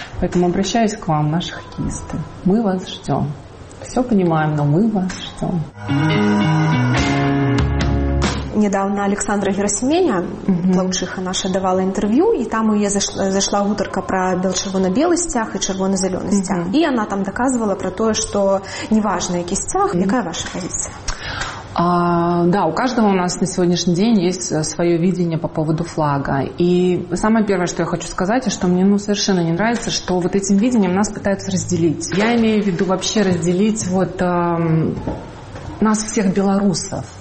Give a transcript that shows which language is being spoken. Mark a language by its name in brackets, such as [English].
[Russian] Поэтому обращаюсь к вам, наши хоккеисты. Мы вас ждем. Все понимаем, но мы вас ждем. [Belarusian] Недавно Александра Герасименя, плаўчыха наша, давала інтэрв'ю, і там у яе зайшла гутарка пра чырвона-белы сцяг і чырвона-зялёны сцяг. І яна там даказвала пра тое, што неважна, які сцяг, якая ваша пазіцыя? [Russian] Да, у каждого у нас на сегодняшний день есть свое видение по поводу флага. И самое первое, что я хочу сказать, что мне совершенно не нравится, что вот этим видением нас пытаются разделить. Я имею в виду вообще разделить вот нас всех белорусов.